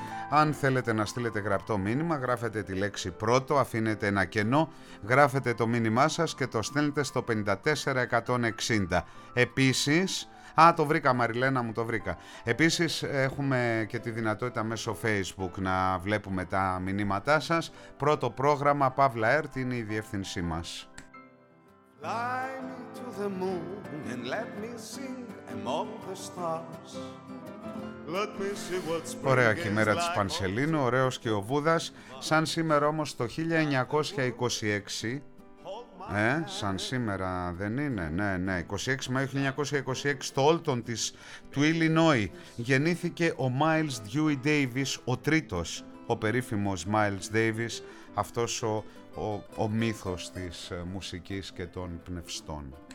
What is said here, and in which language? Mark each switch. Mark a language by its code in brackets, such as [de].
[el] Αν θέλετε να στείλετε γραπτό μήνυμα, γράφετε τη λέξη πρώτο, αφήνετε ένα κενό, γράφετε το μήνυμά σας και το στέλνετε στο 54160. Επίσης, το βρήκα Μαριλένα, μου το βρήκα. Επίσης έχουμε και τη δυνατότητα μέσω Facebook να βλέπουμε τα μηνύματά σας. Πρώτο πρόγραμμα, Παύλα ΕΡΤ, είναι η διεύθυνσή μας. [en] Fly me to the moon and let me sing among the stars. Let me see what's spring. [el] Ωραία και η μέρα της Πανσελίνου, ωραίος και ο Βούδας. Σαν σήμερα όμως το 1926, σαν σήμερα δεν είναι, ναι, 26 Μαΐου 1926, στο Όλτον της του Ιλινόη γεννήθηκε ο Miles Dewey Davis, ο τρίτος, ο περίφημος Miles Davis, αυτός ο μύθος της μουσικής και των πνευστών.